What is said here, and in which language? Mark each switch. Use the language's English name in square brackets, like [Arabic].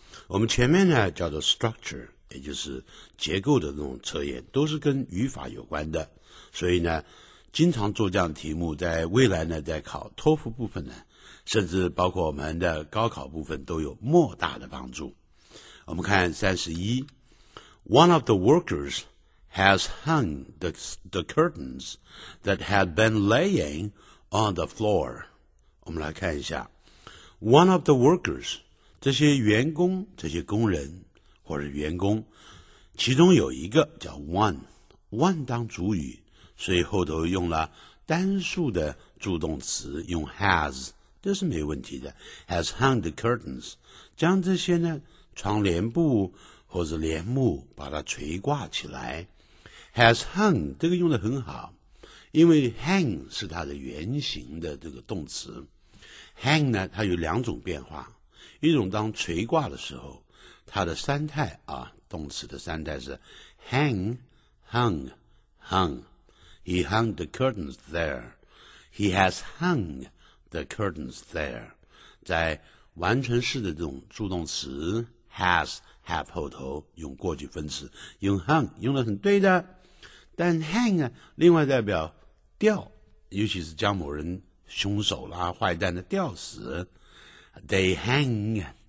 [Chinese] 我们前面呢叫做 structure，也就是结构的那种测验，都是跟语法有关的，所以呢经常做这样的题目，在未来呢在考托福部分呢，甚至包括我们的高考部分，都有莫大的帮助。我们看31， [English] One of the workers has hung the curtains that had been laying on the floor。 [Chinese] 我们来看一下 [English] One of the workers， [Chinese] 这些员工，这些工人或者员工，其中有一个叫 one 当主语，所以后头用了单数的助动词，用 has， 这是没问题的。 [English] has hung the curtains， [Chinese] 将这些呢窗帘布或者帘幕把它垂挂起来。 [English] has hung [Chinese] 这个用得很好，因为 hang 是它的原型的这个动词。 hang 呢它有两种变化，一种当垂挂的时候，它的三态啊，动词的三态是 [English] hang, hung, hung. He hung the curtains there. He has hung the curtains there. [Chinese] 在完成式的这种助动词 has, have 后头用过去分词，用 hung 用得很对的。但 hang 啊，另外代表吊，尤其是将某人凶手啦、坏蛋的吊死。 [English] They hang.